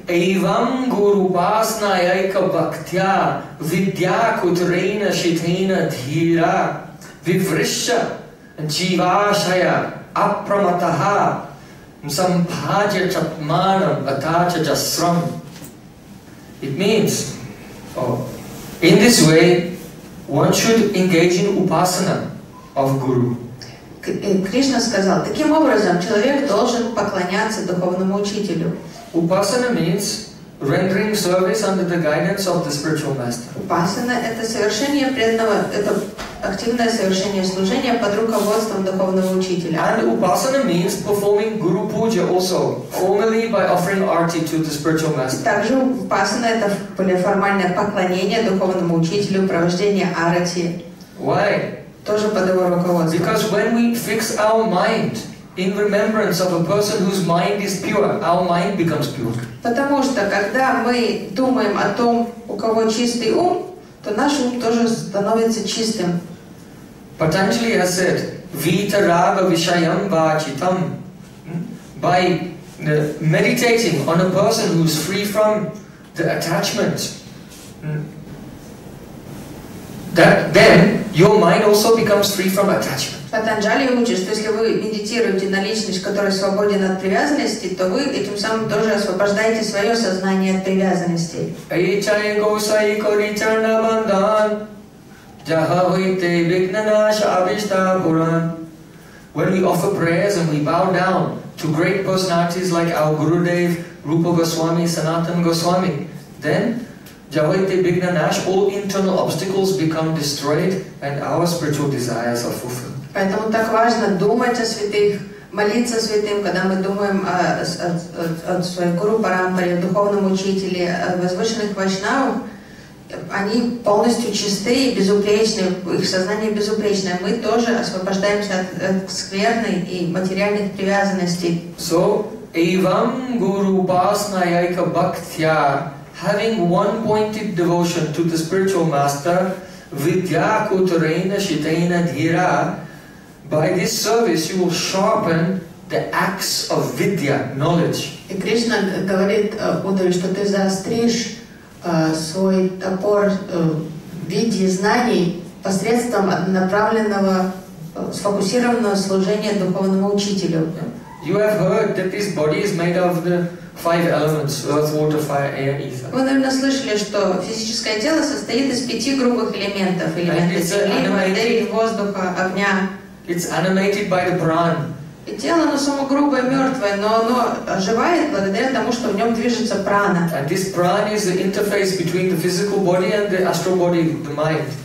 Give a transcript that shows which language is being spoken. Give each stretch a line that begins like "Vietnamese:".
Sanskrit: Эйвам гуру басна яйка бхактя видья кутрейна шитейна дхира вивриша дживашая апраматаха сампаджа чапманам атача джасрам.
English: It means, in this way, one should engage in upasana of guru.
Russian: Кришна сказал, таким образом человек должен поклоняться духовному учителю.
English: Upasana means rendering service under the guidance of the spiritual master.
Russian: Upasana — это совершение преданного, это активное совершение служения под руководством духовного учителя.
English: And upasana means performing guru puja also, formally by offering arti to the spiritual master.
Russian: Также upasana — это более формальное поклонение духовному учителю, провождение арти.
English: Why?
Russian: Тоже под его руководством.
English: Because when we fix our mind in remembrance of a person whose mind is pure, our mind becomes pure.
Russian: Потому что когда мы думаем о том, у кого чистый ум, то наш ум тоже становится чистым.
English: Patanjali has said,
Sanskrit: vita raga vishayam vachitam.
English: By meditating on a person who is free from the attachment, that then your mind also becomes free from attachment.
Russian: Патанджали учит, что если вы медитируете на личность, которая свободен от привязанности, то вы этим самым тоже освобождаете свое сознание от привязанности.
Sanskrit: Айчай гусай коричана бандан, джахавите вигнанаша авишта пуран.
English: When we offer prayers and we bow down to great personalities like our Gurudev, Rupa Goswami, Sanatana Goswami, then
Sanskrit: Javite Bigna Nash,
English: all internal obstacles become destroyed and our spiritual desires are fulfilled.
Russian: Поэтому так важно думать о святых, молиться святым, когда мы думаем о своей Гуру Парампаре, о духовном учителе, о возвышенных вайшнавах. Они полностью чисты и безупречны, их сознание безупречное. Мы тоже освобождаемся от скверной и материальных привязанностей.
English: So,
Sanskrit: Evam Guru Basna Yaika Bhaktya,
English: having one-pointed devotion to the spiritual master,
Sanskrit: vidya kutareina shitaina dhira,
English: by this service you will sharpen the axe of vidya, knowledge.
Russian: И Кришна говорит Удхаве, что ты заостришь свой топор видьи знаний посредством направленного, сфокусированного служения духовному учителю.
English: You have heard that this body is made of the five elements: earth, water, fire, air, ether.
Russian: Вы, наверное, слышали, что физическое тело состоит из пяти грубых элементов: элемента земли, воды, воздуха, огня.
English: It's animated by the prana.
Russian: И тело, оно само грубое, мертвое, но оно оживает благодаря тому, что в нем движется прана.
English: And this prana is the interface between the physical body and the astral body, the mind.